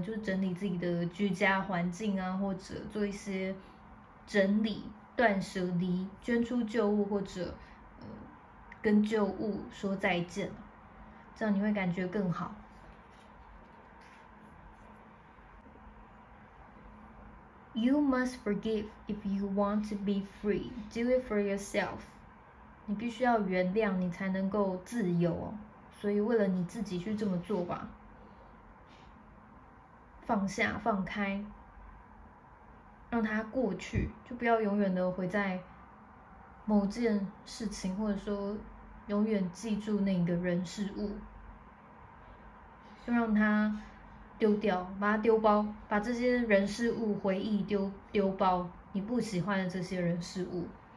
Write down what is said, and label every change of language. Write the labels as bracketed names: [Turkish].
[Chinese] 就是整理自己的居家环境啊，或者做一些整理、断舍离、捐出旧物，或者跟旧物说再见，这样你会感觉更好。 [English] You must forgive if you want to be free. Do it for yourself. [Chinese] 你必须要原谅，你才能够自由，所以为了你自己去这么做吧。放下，放开，让它过去，就不要永远的回在某件事情，或者说永远记住那个人事物，就让它丢掉，把它丢包，把这些人事物回忆丢包，你不喜欢的这些人事物。